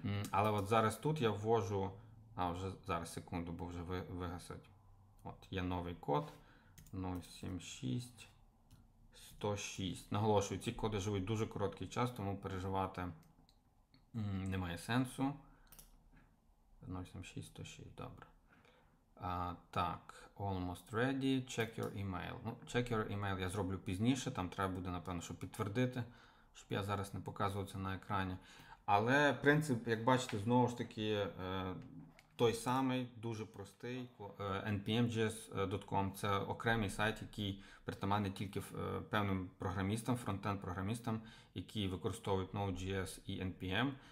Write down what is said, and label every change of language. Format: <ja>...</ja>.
<uk>Але от зараз тут я ввожу, а вже зараз секунду, бо вже вигасить. От є новий код 076 106. Наголошую, ці коди живуть дуже короткий час, тому переживати немає сенсу. 076 106, добре.</uk> <en>Так, almost ready, check your email.</en> <uk>Ну,</uk> <en>check your email</en> <uk>я зроблю пізніше, там треба буде, напевно, щоб підтвердити, щоб я зараз не показував це на екрані. Але принцип, як бачите, знову ж таки, той самий, дуже простий. npmjs.com – це окремий сайт, який притаманний тільки певним програмістам, фронтенд-програмістам, які використовують Node.js і npm.</uk>